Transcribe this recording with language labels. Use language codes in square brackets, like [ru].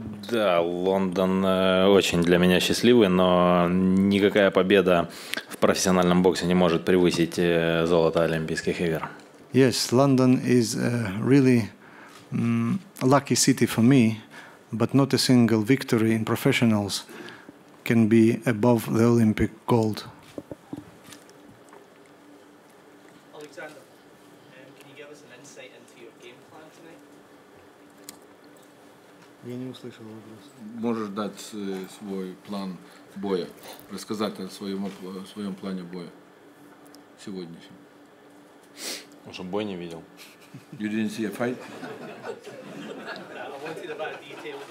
[ru] Да, Лондон очень для меня счастливый, но никакая победа в профессиональном боксе не может превысить золото Олимпийских игр. [en] Yes, London is a really lucky city for me, but not a single victory in professionals can be above the Olympic gold. Alexander, can you give us an insight into your game plan tonight? [ru] Я не услышал вопрос. Можешь дать свой план боя, рассказать о своем плане боя сегодняшнем? Он же бой не видел. [en] You didn't see a fight? I wanted about details